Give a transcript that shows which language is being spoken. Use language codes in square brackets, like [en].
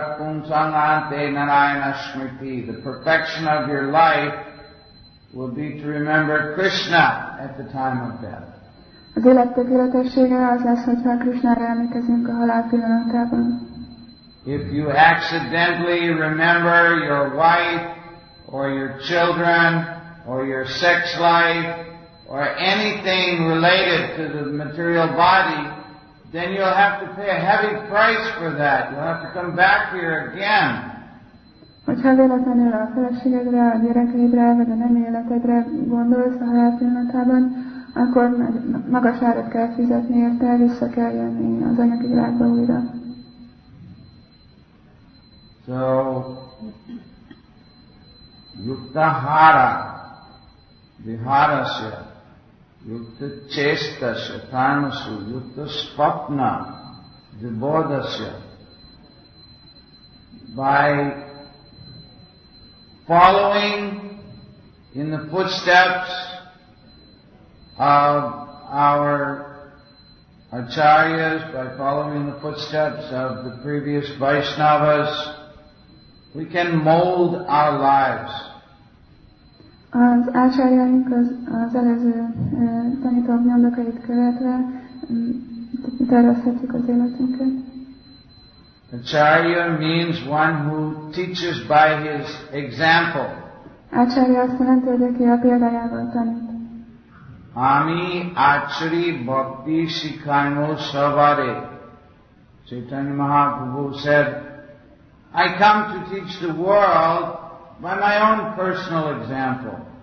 [en] The perfection of your life will be to remember Krishna at the time of death. [hu] Az élet tökéletessége az lesz, hogyha Krishnára emlékezünk a halál pillanatában. [en] If you accidentally remember your wife or your children or your sex life or anything related to the material body, then you'll have to pay a heavy price for that. You'll have to come back here again. [hu] Hogyha véletlenül a feleségedre, a gyerekeidre, vagy a nem életedre gondolsz a halál pillanatában, akkor magas árat kell fizetni érte, vissza kell jönni az anyagi világba újra. [sa] So, yuktahara, viharasya, yukta chestasya, tamasu, yukta svapna, vibodasya. [en] By following in the footsteps of our acharyas, by following in the footsteps of the previous Vaishnavas, we can mold our lives. [hu] Az ácsárjaink az előző tanítók nyomdokait követve tervezhetjük az életünket. [en] Acharya means one who teaches by his example. [hu] Ácsárja azt jelenti, hogy aki a példájával tanít. [bn] Ami ácsari bhakti sikhano savare. [en] Chaitanya Mahaprabhu said, I come to teach the world by my own personal example.